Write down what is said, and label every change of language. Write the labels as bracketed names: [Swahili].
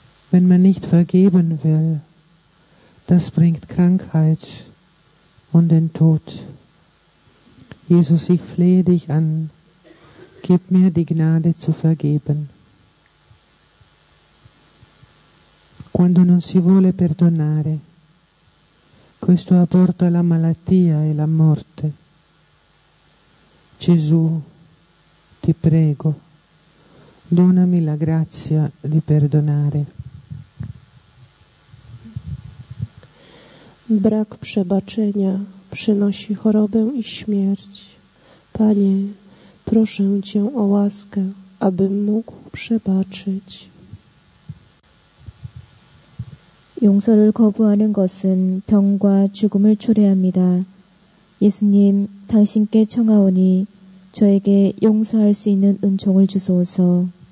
[German] Wenn man nicht vergeben will, das bringt Krankheit und den Tod. Jesus, ich flehe dich an, gib mir die Gnade zu vergeben. [Italian] Quando non si vuole perdonare, questo apporta la malattia e la morte. Gesù, ti prego, donami la grazia di perdonare. [Polish] Brak przebaczenia przynosi chorobę i śmierć. Panie, proszę Cię o łaskę, abym mógł przebaczyć. [Korean] 용서를 거부하는 것은 병과 죽음을 초래합니다. 예수님, 당신께 청하오니 저에게 용서할 수 있는 은총을 주소서.